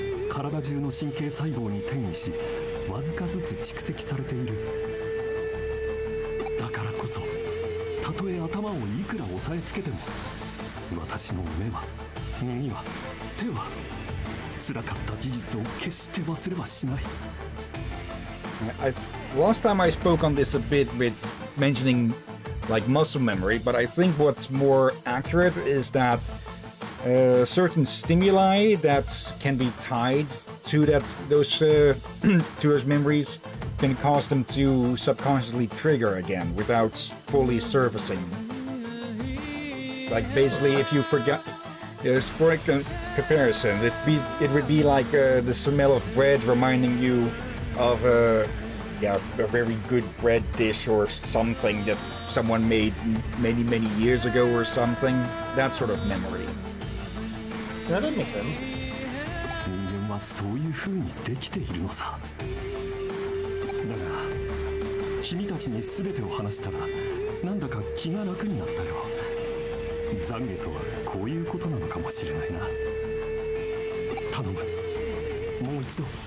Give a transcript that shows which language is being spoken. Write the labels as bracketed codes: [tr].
[ja] 体中の神経細胞に転移し、わずかずつ蓄積されている。だからこそ、たとえ頭をいくら押さえつけても、私の目は、耳は、手は、辛かった事実を決して忘れはしない。 [en] Last time I spoke on this a bit with mentioning like muscle memory, but I think what's more accurate is that certain stimuli that can be tied to that to those memories can cause them to subconsciously trigger again without fully surfacing. Like basically, if you forget, for a comparison, it would be like the smell of bread reminding you of a very good bread dish or something that someone made many, many years ago or something. That sort of memory. That doesn't make sense. [ja] 人間はそういう風にできているのさ。だが、君たちに全てを話したら、なんだか気が楽になったよ。懺悔とはこういうことなのかもしれないな。頼む。もう一度。